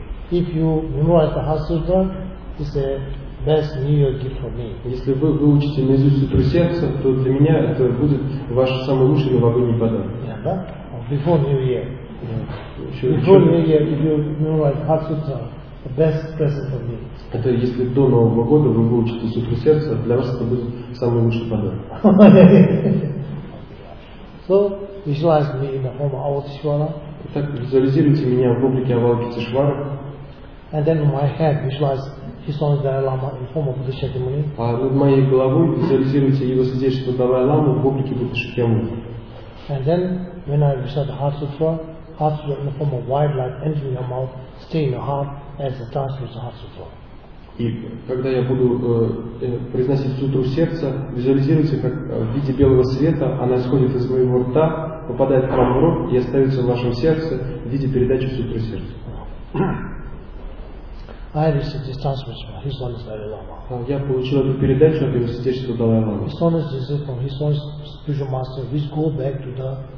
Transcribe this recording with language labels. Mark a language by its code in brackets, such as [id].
[en] If you memorize the Heart Sutra, it's the best New Year gift for me. [ru] Если вы выучите наизусть сутру сердца, то для меня это будет ваш самый лучший новогодний подарок. [en] Yeah, but before New Year. Before New Year, if you memorize the Heart Sutra. The best present for me. [ru] Это если до Нового года вы выучите сутру сердца, для вас это будет самый лучший подарок. [en] So visualize me in the form of Avalokiteshvara. [ru] Итак, визуализируйте меня в облике Авалокитешвары. [en] And then my head visualize His Holiness Dalai Lama in form of Buddha Shakyamuni. [ru] А над моей головой визуализируйте Его Святейшество Далай Ламу в облике Будды Шакьямуни. [en] And then when I visualize the Heart Sutra, Heart Sutra in the form of wide light entering your mouth, stay in your heart. As the transmitter has to flow. [ru] И когда я буду произносить сутру сердца, визуализируйте, как в виде белого света она исходит из моего рта, попадает к вам в рот и остается в вашем сердце в виде передачи сутру сердца. [en] I received this transmission from His Holiness Dalai Lama. [ru] Я получил эту передачу от Его Святейшества Далай Лама. [en] His Holiness is from His Holiness Spiritual Master, which go back to the